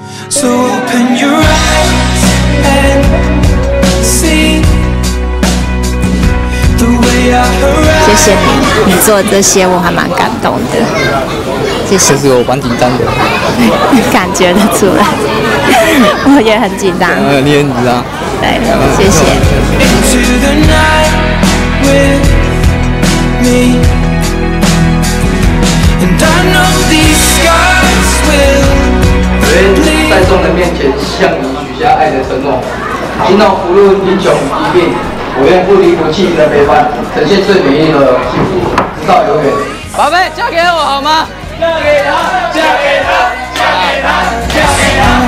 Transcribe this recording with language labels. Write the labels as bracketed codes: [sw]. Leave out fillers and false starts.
[en] So open your eyes and see the way I arrive. [zh] 谢谢你，你做这些我还蛮感动的。谢谢。其实我蛮紧张的。感觉得出来，我也很紧张。你也很紧张。对，谢谢。 [en] Into the night with me, and I know these scars will. [zh] 在众人面前向你许下爱的承诺，听到无论贫穷疾病，我愿不离不弃的陪伴，呈现最美丽的幸福，直到永远。宝贝，嫁给我好吗？嫁给他，嫁给他，嫁给他，嫁给他。